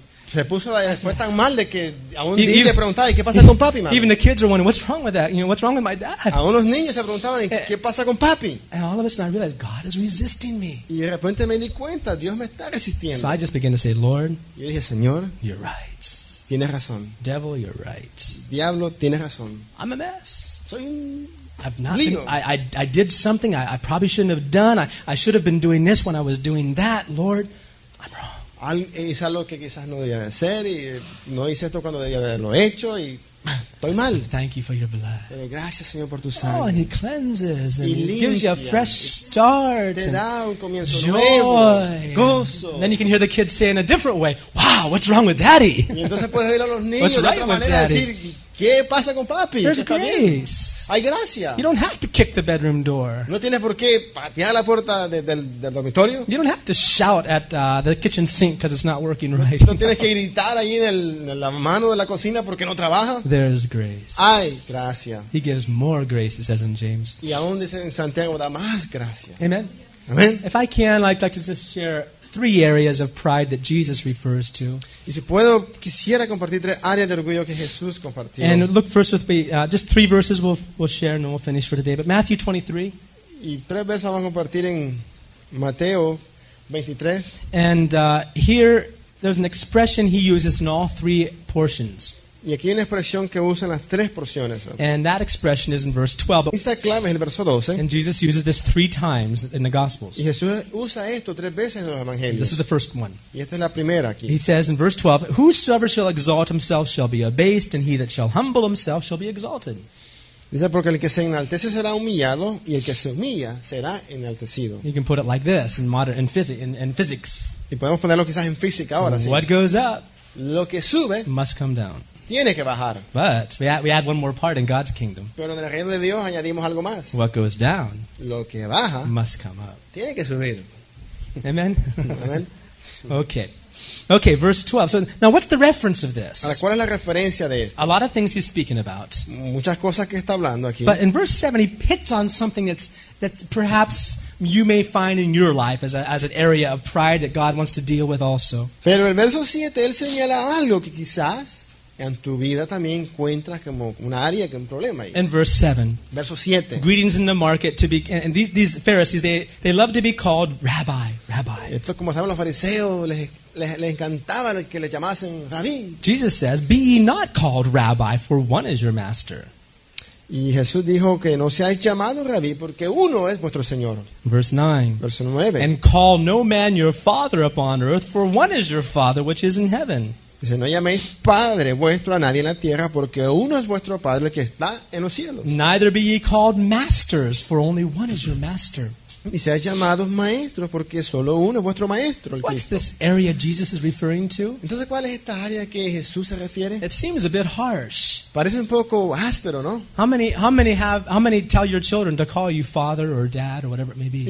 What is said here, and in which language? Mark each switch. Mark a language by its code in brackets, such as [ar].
[es] Se puso después tan mal de que a un niño le preguntaba, ¿y qué pasa con papi, mami? [en] Even the kids were wondering, what's wrong with that? You know, what's wrong with my dad? [es] A unos niños se preguntaban, ¿qué pasa con papi? [en] And all of a sudden I realized, God is resisting me. [es] Y de repente me di cuenta, Dios me está resistiendo. [en] So I just began to say, Lord, [es] yo dije, Señor, [en] you're right. [es] Tienes razón. [en] Devil, you're right. [es] Diablo, tienes razón. [en] I'm a mess. [es] Soy un... [en] I've not. Been, I did something I probably shouldn't have done. I should have been doing this when I was doing that, Lord. [es] Es algo que quizás no debía hacer y no hice esto cuando debía haberlo hecho y estoy mal. [en] Thank you for your blood. [es] Pero gracias, Señor, por tu sangre. [en] Oh, and he cleanses [es] y [en] and [es] limpia. [en] Gives you a fresh start. [es] Te da un comienzo [en] joy. [es] Nuevo, gozo. [en] And then you can hear the kids say in a different way, "Wow, what's wrong with Daddy?" [es] Y entonces puedes oír a los niños de otra manera decir, ¿qué pasa con papi? [en] There's grace. [es] Bien. Hay gracia. [en] You don't have to kick the bedroom door. [es] No tienes por qué patear la puerta del dormitorio. [en] You don't have to shout at the kitchen sink because it's not working right. [es] No tienes que gritar ahí en la mano de la cocina porque no trabaja. [en] There's grace. [es] Hay gracia. [en] He gives more grace, it says in James. [es] Y aún dice en Santiago, da más gracia. [en] Amen. [es] Amen. [en] If I can, I'd like to just share three areas of pride that Jesus refers to. [es] Y si puedo, quisiera compartir tres áreas de orgullo que Jesús compartió. [en] And look first with me, just three verses we'll share and then we'll finish for today. But Matthew 23. [es] Y tres versos vamos a compartir en Mateo 23. [en] And here, there's an expression he uses in all three portions. [es] Y aquí hay una expresión que usa en las tres porciones. [en] And that expression is in verse 12. [es] Esta clave es el verso 12. [en] And Jesus uses this three times in the Gospels. [es] Y Jesús usa esto tres veces en los Evangelios. [en] This is the first one. [es] Y esta es la primera aquí. [en] He says in verse 12, "Whosoever shall exalt himself shall be abased, and he that shall humble himself shall be exalted." [es] Dice, porque el que se enaltece será humillado, y el que se humilla será enaltecido. [en] You can put it like this in physics. [es] Y podemos ponerlo quizás en física ahora, sí. [en] What goes up, [es] lo que sube, [en] must come down. [es] Tiene que bajar. [en] But we add one more part in God's kingdom. [es] Pero en el reino de Dios añadimos algo más. [en] What goes down, [es] lo que baja, [en] must come up. [es] Tiene que subir. [en] Amen. [es] Amen. [en] Okay. Okay, verse 12. So now what's the reference of this? [es] Ahora, ¿cuál es la referencia de esto? [en] A lot of things he's speaking about. [es] Muchas cosas que está hablando aquí. [en] But in verse 7 he hits on something that's perhaps you may find in your life as an area of pride that God wants to deal with also. [es] Pero el verso 7 él señala algo que quizás en tu vida también encuentras como un área que un problema ahí. [en] In verse 7. [es] Verso 7. [en] Greetings in the market to be and these Pharisees they love to be called rabbi. [es] Esto como saben los fariseos les encantaba que les llamasen rabí. [en] Jesus says, "Be ye not called rabbi, for one is your master." [es] Y Jesús dijo que no seáis llamados rabí porque uno es vuestro señor. [en] Verse 9. [es] Verso 9. [en] "And call no man your father upon earth, for one is your father which is in heaven." [es] Dice, no llaméis padre vuestro a nadie en la tierra, porque uno es vuestro padre que está en los cielos. [en] Neither be ye called masters, for only one is your master. [es] Y seáis llamados maestros, porque solo uno es vuestro maestro, el Cristo. [en] What's this area Jesus is referring to? [es] Entonces, ¿cuál es esta área que Jesús se refiere? [en] It seems a bit harsh. [es] Parece un poco áspero, ¿no? [en] How many tell your children to call you father or dad or whatever it may be?